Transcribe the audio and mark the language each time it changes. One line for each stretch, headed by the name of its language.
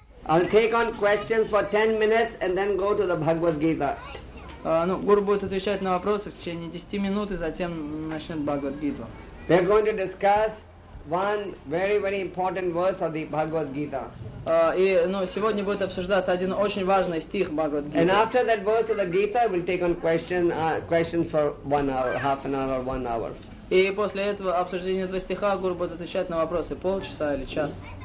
English: I'll take on questions for 10 minutes and then go to the Bhagavad Gita.
Russian: Ну, гуру будет отвечать на вопросы в течение 10 минут и затем начнет Бхагавад Гиту.
English: They're going to discuss one very, very important verse of the Bhagavad Gita.
Russian: Сегодня будет обсуждаться один очень важный стих Бхагавад Гиты.
English: And after that verse of the Gita, we'll take on questions for 1 hour, half an hour, 1 hour.
Russian: И после этого обсуждения этого стиха гуру будет отвечать на вопросы полчаса или час.